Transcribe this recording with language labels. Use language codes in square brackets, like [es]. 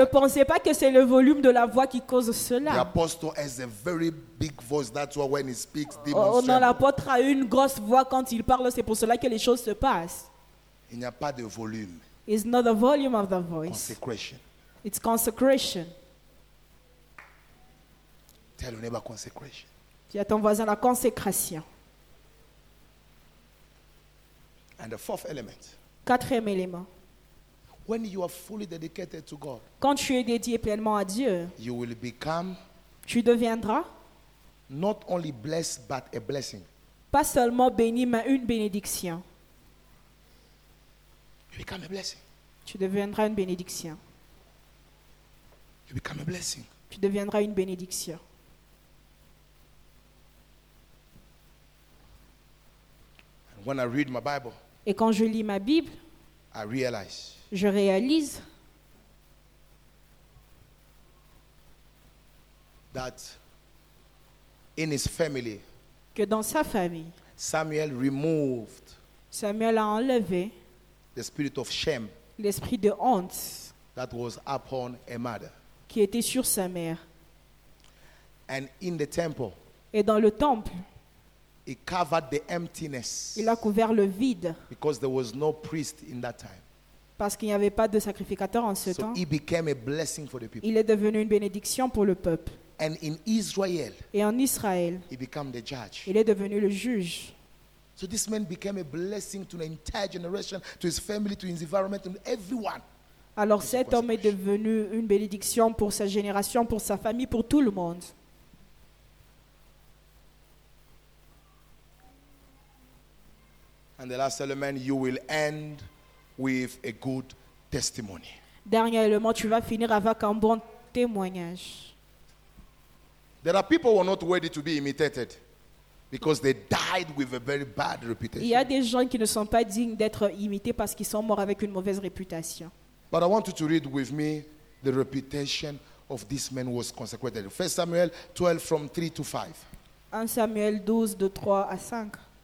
[fr] Ne pensez pas que c'est le volume de la voix qui cause cela. [en] The apostle has a very big voice. That's why when he speaks, [fr] l'apôtre a une grosse voix quand il parle. C'est pour cela que les choses se passent. Il n'y a pas de volume. [en] It's not the volume of the voice. Consecration. It's consecration. Tell your neighbor consecration. [fr] Dis à ton voisin la consécration. [en] And the fourth element. [fr] Quatrième élément. [en] When you are fully dedicated to God. [fr] Quand tu es dédié pleinement à Dieu. [en] You will become. [fr] Tu deviendras. [en] Not only blessed, but a blessing. [fr] Pas seulement béni, mais une bénédiction. [en] You become a blessing. [fr] Tu deviendras une bénédiction. [en] You become a blessing. [fr] Tu deviendras une bénédiction. [en] When I read my Bible, [fr] et quand je lis ma Bible, [en] I realize, [fr] je réalise [en] that in his family, [fr] que dans sa famille, [en] Samuel removed, [fr] Samuel a enlevé [en] the spirit of shame, [fr] l'esprit de honte, [en] that was upon a mother, [fr] qui était sur sa mère, [en] and in the temple, [fr] et dans le temple. [en] He covered the emptiness. [fr] Il a couvert le vide. [en] Because there was no priest in that time. [fr] Parce qu'il n'y avait pas de sacrificateur en ce [en] so [fr] temps. [en] He became a blessing for the people. [fr] Il est devenu une bénédiction pour le peuple. [en] And in Israel, [fr] et en Israël, [en] he became the judge. [fr] Il est devenu le juge. [en] So this man became a blessing to an entire generation, to his family, to his environment, to everyone. [fr] Alors cet homme est devenu une bénédiction pour sa génération, pour sa famille, pour tout le monde. [en] And the last element, you will end with a good testimony. [fr] Dernier élément, tu vas finir avec un bon témoignage. [en] There are people who are not worthy to be imitated because they died with a very bad reputation. [fr] Il y a des gens qui ne sont pas dignes d'être imités parce qu'ils sont morts avec une mauvaise réputation. [en] But I want you to read with me the reputation of this man who was consecrated. 1 Samuel 12 from 3 to 5. [fr] 1 Samuel 12 de 3 à 5.